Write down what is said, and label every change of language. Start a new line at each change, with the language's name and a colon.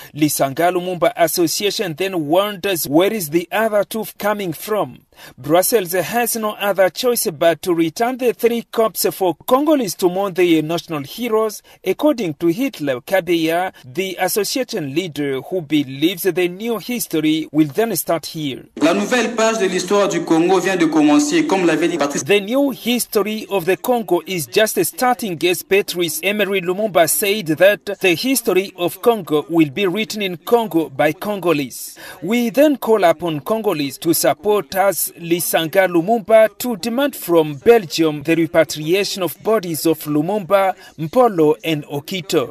English: Lisanga Lumumba Association then wonders where is the other tooth coming from. Brussels has no other choice but to return the three corpses for Congolese to mourn their national heroes, according to Hitler Kabeya, the association leader who believes the new history will then start here.
French: La nouvelle page de l'histoire du Congo vient de commencer, comme l'avait dit Patrice.
English: The new history of the Congo is just starting, as Patrice Emery Lumumba said that the history of Congo will be written in Congo by Congolese. We then call upon Congolese to support us, Lisanga Lumumba, to demand from Belgium the repatriation of bodies of Lumumba, Mpolo, and Okito.